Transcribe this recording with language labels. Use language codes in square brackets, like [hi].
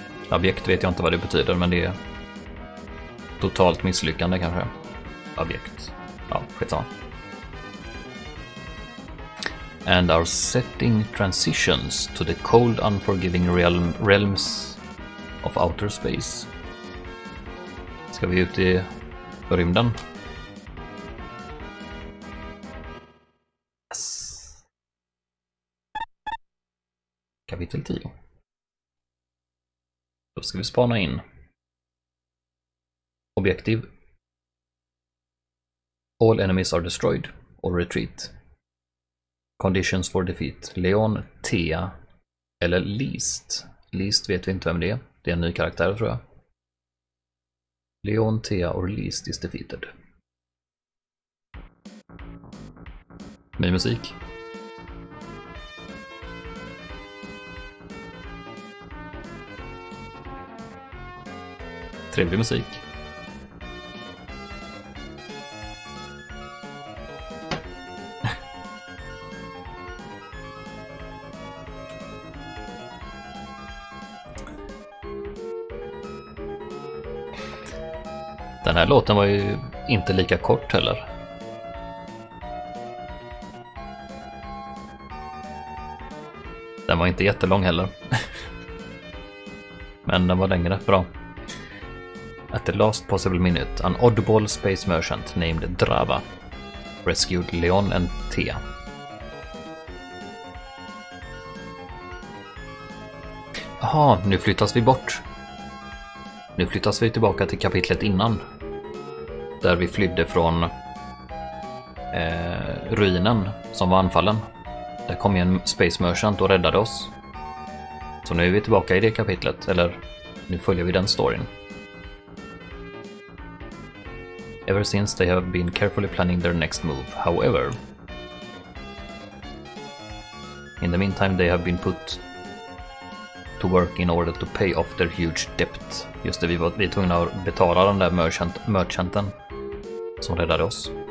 [sv] Objekt vet jag inte vad det betyder, men det är totalt misslyckande kanske. Objekt. Ja, skitsamma. [en] And our setting transitions to the cold unforgiving realms of outer space. [sv] Ska vi ut i rymden? Kapitel 10. Då ska vi spana in. Objektiv. [en] All enemies are destroyed or retreat. Conditions for defeat. Leon, Thea eller Least. [sv] Least vet vi inte vem det är. Det är en ny karaktär tror jag. [en] Leon, Thea or Least is defeated. [sv] Ny musik. Trevlig musik. Den här låten var ju inte lika kort heller. Den var inte jättelång heller. Men den var längre, bra. [en] At the last possible minute, an oddball space merchant named Drava rescued Leon and Thea. [sv] Jaha, nu flyttas vi bort. Nu flyttas vi tillbaka till kapitlet innan. Där vi flydde från ruinen som var anfallen. Där kom ju en space merchant och räddade oss. Så nu är vi tillbaka i det kapitlet, eller nu följer vi den storyn. [en] Ever since they have been carefully planning their next move. However, In the meantime they have been put to work in order to pay off their huge debt. [sv] Just det, vi är tvungna att betala den där merchanten som räddade oss.